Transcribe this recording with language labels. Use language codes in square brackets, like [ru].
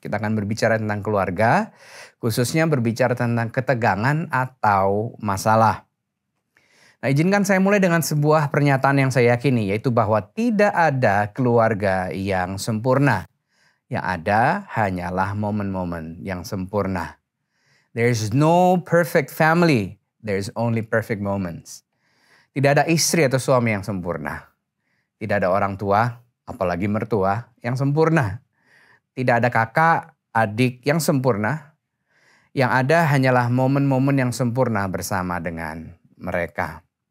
[id] Kita akan berbicara tentang keluarga, khususnya berbicara tentang ketegangan atau masalah. Nah, izinkan saya mulai dengan sebuah pernyataan yang saya yakini, yaitu bahwa tidak ada keluarga yang sempurna. Yang ada hanyalah momen-momen yang sempurna. [en] There is no perfect family, there is only perfect moments. [id] Tidak ada istri atau suami yang sempurna. Tidak ada orang tua, apalagi mertua, yang sempurna. Tidak ada kakak, adik yang sempurna. Yang ada hanyalah momen-momen yang sempurna bersama dengan mereka.